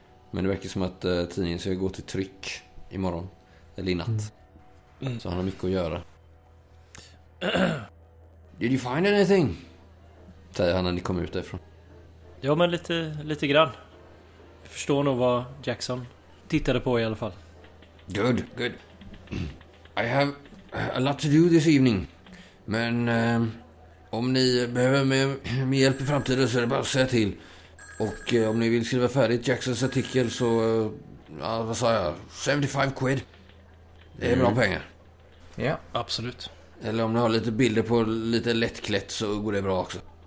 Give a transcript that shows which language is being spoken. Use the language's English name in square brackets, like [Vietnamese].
[Swedish] Men det verkar som att tidningen ska gå till tryck imorgon. Eller i natt. Mm. Så han har mycket att göra. [English] Did you find anything? [Swedish] Säger han när ni kom ut därifrån. Ja, men lite grann. Jag förstår nog vad Jackson tittade på i alla fall. [English] Good, good. I have a lot to do this evening. [Swedish] Men om ni behöver med hjälp i framtiden så är det bara att säga till. Och om ni vill skriva färdigt Jacksons artikel så... ja, vad sa jag? 75 quid. Det är bra pengar. Ja, yeah, absolut. Eller om ni har lite bilder på lite lättklätt så går det bra också.